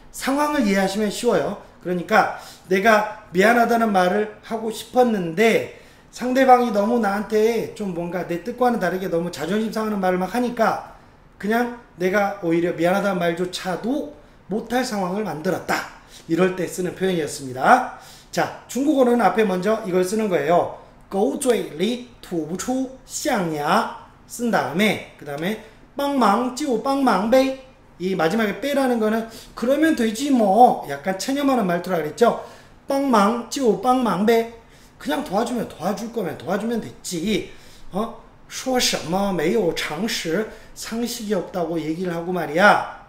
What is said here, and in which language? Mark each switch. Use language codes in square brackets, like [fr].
[ko] 상황을 이해하시면 쉬워요. 그러니까 내가 미안하다는 말을 하고 싶었는데 상대방이 너무 나한테 좀 뭔가 내 뜻과는 다르게 너무 자존심 상하는 말을 막 하니까 그냥 내가 오히려 미안하다는 말조차도 못할 상황을 만들었다. 이럴 때 쓰는 표현이었습니다. 자, 중국어는 앞에 먼저 이걸 쓰는 거예요. [zh] 狗嘴里 吐不出 象牙 [ko] 쓴 다음에 그 다음에 [zh] 帮忙就帮忙呗. [ko] 이 마지막에 빼라는 거는 그러면 되지 뭐 약간 체념하는 말투라 그랬죠. [zh] 帮忙就帮忙呗. [ko] 그냥 도와주면 도와줄 거면 도와주면 됐지. 어? [zh] 说什么没有常识 [ko] 상식이 없다고 얘기를 하고 말이야.